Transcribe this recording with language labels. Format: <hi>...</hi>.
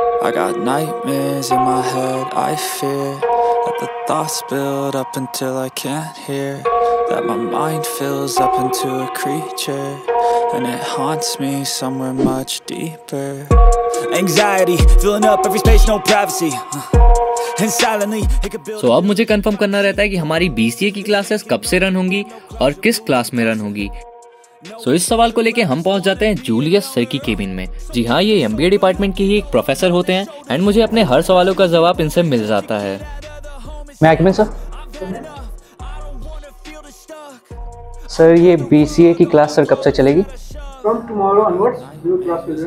<en>I got nightmares in my head, I fear that the thoughts build up until I can't hear, that my mind fills up into a creature and it haunts me somewhere much deeper. Anxiety filling up every space, no privacy.</en> <hi>So, अब मुझे confirm करना रहता है कि हमारी BCA की classes कब से रन होंगी और किस क्लास में रन होगी। So, इस सवाल को लेके हम पहुंच जाते हैं जूलियस सर की केबिन में। जी हाँ, ये एमबीए डिपार्टमेंट के ही एक प्रोफेसर होते हैं, एंड मुझे अपने हर सवालों का जवाब इनसे मिल जाता है।</hi> <en>मैं एक्मिन सर।</en> <hi>सर ये बीसीए की क्लास सर कब से चलेगी?</hi> <en>From tomorrow onwards, new class will</en>